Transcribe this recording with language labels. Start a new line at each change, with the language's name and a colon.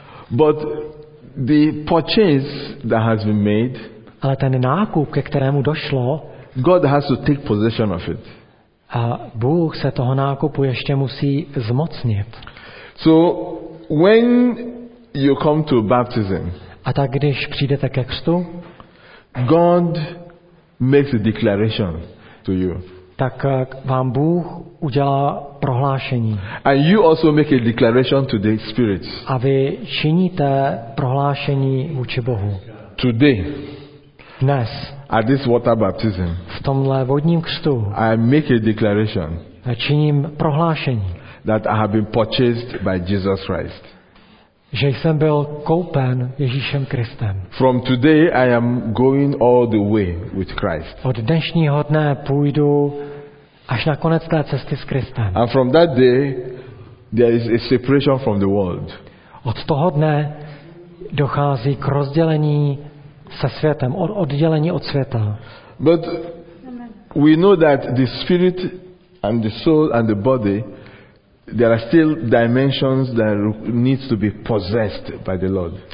English: But the purchase that has been made.
Czech: Ale ten nákup, ke kterému došlo,
English: God has to take possession of it.
Czech: A Bůh se toho nákupu ještě musí zmocnit.
English: So when you come to baptism.
Czech: A tak když přijdete ke křtu,
English: God makes a declaration to you.
Czech: Tak vám Bůh udělá prohlášení.
English: And you also make a declaration to the Spirit.
Czech: A vy činíte prohlášení vůči Bohu.
English: Today.
Czech: Dnes.
English: At this water baptism.
Czech: V tomhle vodním křtu.
English: I make a declaration.
Czech: Činím prohlášení.
English: That I have been purchased by Jesus Christ.
Czech: Že jsem byl koupen Ježíšem Kristem.
English: From today I am going all the way with Christ.
Czech: Od dnešního dne půjdu až na konec té cesty s Kristem.
English: And from that day there is a separation from the world.
Czech: Od toho dne dochází k rozdělení se světem, oddělení od světa.
English: But we know that the spirit and the soul and the body, there are still dimensions that needs to be possessed by the Lord.